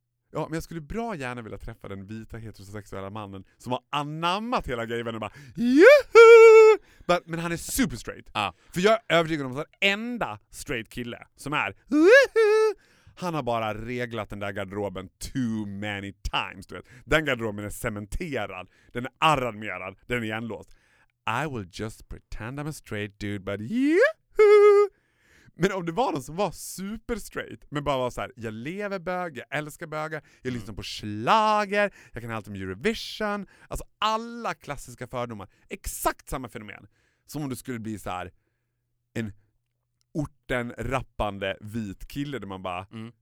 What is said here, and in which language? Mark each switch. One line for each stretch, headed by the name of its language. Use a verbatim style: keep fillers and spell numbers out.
Swedish: Ja, men jag skulle bra gärna vilja träffa den vita heterosexuella mannen som har anammat hela grejen och bara juhu! But, men han är super straight. Ah. För jag är övertygad om att enda straight kille som är juhu! Han har bara reglat den där garderoben too many times, du vet. Den garderoben är cementerad, den är arrangerad, den är igenlåst.
English: I will just pretend I'm a straight dude, but juhu!
Swedish: Men om det var någon som var super straight men bara var så här: jag lever bög, jag älskar bögar, jag lyssnar på schlager, jag kan allt om Eurovision, alltså alla klassiska fördomar, exakt samma fenomen som om du skulle bli så här en orten rappande vit kille där man bara mm.